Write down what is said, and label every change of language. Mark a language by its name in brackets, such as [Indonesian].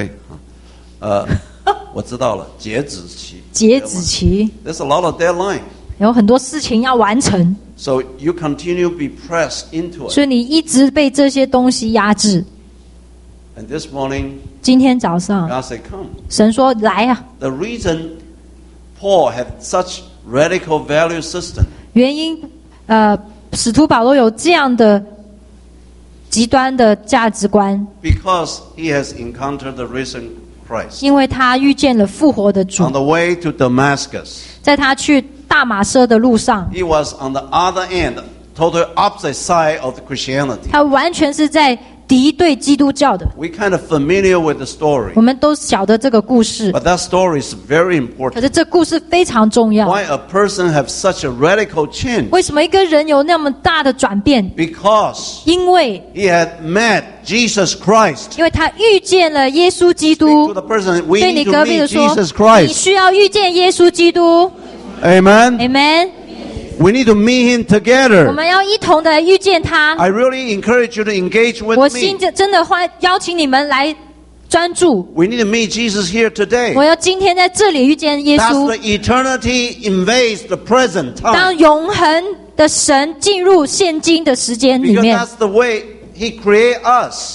[Chinese] 里程碑啊，我知道了，截止期。截止期。 [English] There's a lot of deadline。 [Chinese] 有很多事情要完成。 [English] So you continue be pressed into it。 [Chinese] 所以你一直被这些东西压制。 [English] And this morning。 [Chinese] 今天早上。 [English] God said, "Come." [Chinese] 神说来啊。 [English] The reason Paul had such radical value system。 [Chinese] 原因。使徒保罗有这样的极端的价值观， [English] Because he has encountered the risen Christ. [Chinese] 因为他遇见了复活的主。 [English] On the way to Damascus, [Chinese] 在他去大马色的路上， [English] he was on the other end, totally opposite side of Christianity. [Chinese] 他完全是在敌对基督教的。 [English] We kind of familiar with the story. [Chinese] 我们都晓得这个故事。 [English] But that story is very important. [Chinese] 可是这故事非常重要。 [English] Why a person have such a radical change? [Chinese] 为什么一个人有那么大的转变？ [English] Because [Chinese] 因为 [English] he had met Jesus Christ. [Chinese] 因为他遇见了耶稣基督。 [English] Speak to the person, we need to meet Jesus Christ. [Chinese] 你需要遇见耶稣基督。 [English] Amen. Amen. We need to meet him together. [Chinese] 我们要一同的遇见他。 [English] I really encourage you to engage with me. [Chinese] 我心真的欢邀请你们来专注。 [English] We need to meet Jesus here today. [Chinese] 我要今天在这里遇见耶稣。 [English] That's the eternity invades the present time. [Chinese] 当永恒的神进入现今的时间里面。 [English] Because that's the way he created us.